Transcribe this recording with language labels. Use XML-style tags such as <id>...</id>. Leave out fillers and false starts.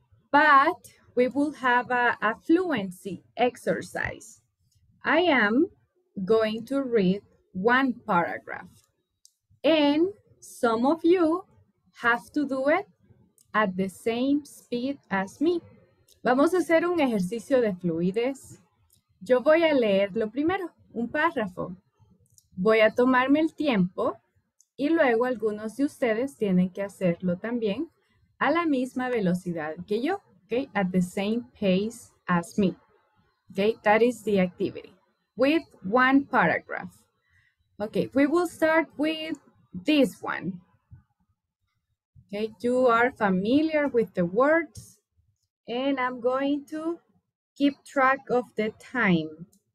<en>But we will have a fluency exercise. I am going to read one paragraph. And some of you have to do it at the same speed as me.</en> <es>Vamos a hacer un ejercicio de fluidez. Yo voy a leer lo primero, un párrafo. Voy a tomarme el tiempo y luego algunos de ustedes tienen que hacerlo también a la misma velocidad que yo.</es> <en>Okay, at the same pace as me. Okay, that is the activity with one paragraph. Okay, we will start with this one. Okay, you are familiar with the words, and I'm going to keep track of the time.</en>